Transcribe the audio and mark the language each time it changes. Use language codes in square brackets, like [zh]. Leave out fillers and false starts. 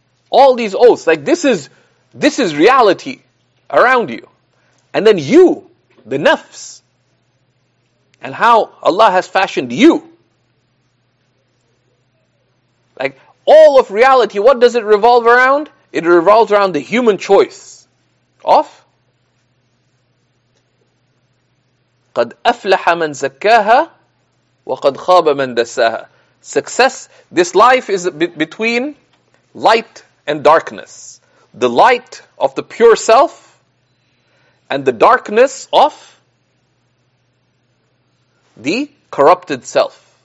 [en] All these oaths, like this is reality around you. And then you, the nafs, and how Allah has fashioned you. Like all of reality, what does it revolve around? It revolves around the human choice of [ar] قَدْ أَفْلَحَ مَنْ زَكَّاهَا وَقَدْ خَابَ مَنْ دَسَّاهَا. [en] Success, this life is between light and darkness. The light of the pure self and the darkness of the corrupted self.